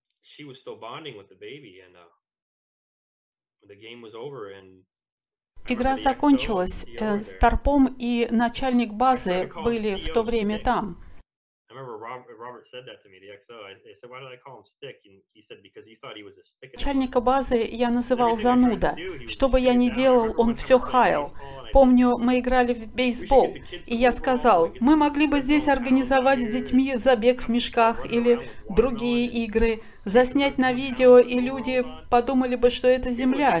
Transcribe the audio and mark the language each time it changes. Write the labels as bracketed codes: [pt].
[en] She was still bonding with the baby, and the game was over, and [ru] игра закончилась. Старпом и начальник базы были в то время там. [en] I remember Robert said that to me, the XO. I said, why did I call him Stick? And he said, because he thought he was a stick. [ru] Начальника базы я называл зануда. Что бы я ни делал, он все хаял. Помню, мы играли в бейсбол, и я сказал, мы могли бы здесь организовать с детьми забег в мешках или другие игры, заснять на видео, и люди подумали бы, что это Земля.